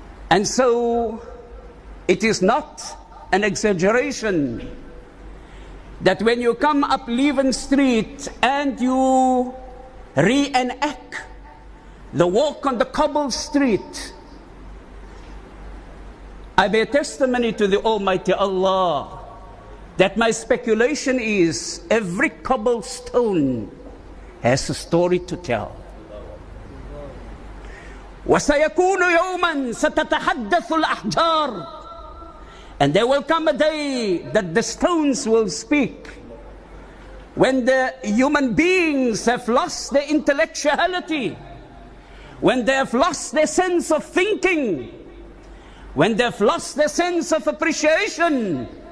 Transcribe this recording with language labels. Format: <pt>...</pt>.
<en>And so, it is not an exaggeration that when you come up Leeuwen Street and you reenact the walk on the cobble street, I bear testimony to the Almighty Allah that my speculation is every cobblestone has a story to tell.</en> <ar>وسيكون يوما ستتحدث الأحجار.</ar> <en>And there will come a day that the stones will speak. When the human beings have lost their intellectuality, when they have lost their sense of thinking, when they have lost their sense of appreciation,</en>